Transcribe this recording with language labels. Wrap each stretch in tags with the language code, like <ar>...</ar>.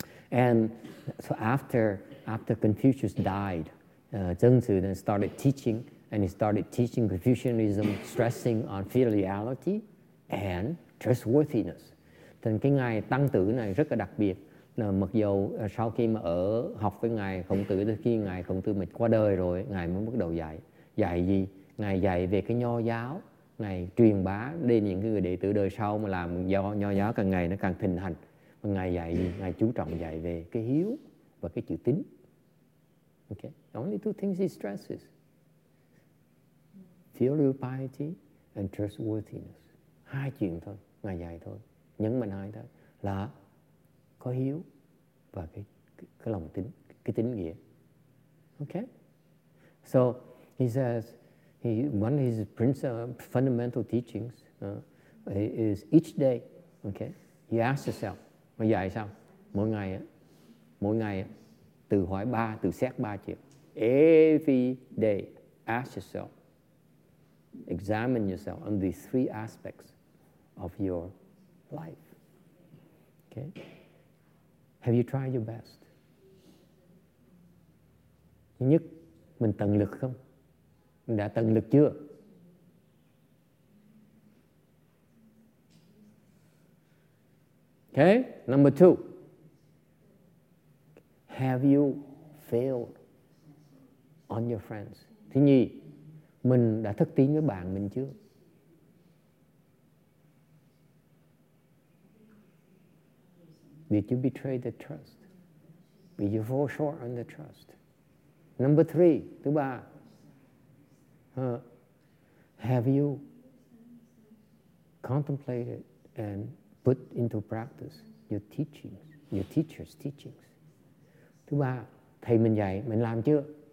<en>And so after Confucius died, Zengzi then started teaching, and he started teaching Confucianism, stressing on filiality and trustworthiness.</en> <vi>Thành cái ngài Tăng Tử này rất là đặc biệt. Mặc dù sau khi mà ở học với ngài Khổng Tử, tới khi ngài Khổng Tử mình qua đời rồi, ngài mới bắt đầu dạy. Dạy gì? Ngài dạy về cái nho giáo, ngài truyền bá đến những người đệ tử đời sau mà làm do nho giáo càng ngày nó càng thịnh hành. Ngài dạy gì? Ngài chú trọng dạy về cái hiếu và cái chữ tín.</vi> <en>Okay, only two things he stresses: filial piety and trustworthiness.</en> <vi>Hai chuyện thôi, ngài dạy thôi. Nhấn mạnh hai thôi là có hiếu và cái lòng tín, cái tín nghĩa.</vi> <en>Okay. So he says he one of his fundamental teachings is each day. Okay. You ask yourself,</en> <vi>mà dạy sao? Mỗi ngày. Từ hỏi ba, từ xét ba chuyện.</vi> <en>Every day, ask yourself, examine yourself on these three aspects of your life. Okay? Have you tried your best?</en> <vi>Thứ nhất, mình tận lực không? Mình đã tận lực chưa?</vi> <en>Okay? Number two. Have you failed on your friends?</en> <vi>Thứ nhì, mình đã thất tín với bạn mình chưa?</vi> <en>Did you betray the trust? Did you fall short on the trust? Number three,</en> <vi>thứ ba,</vi> <en>have you contemplated and put into practice your teachings, your teacher's teachings?</en> <vi>Thứ ba, thầy mình dạy, mình làm chưa?</vi>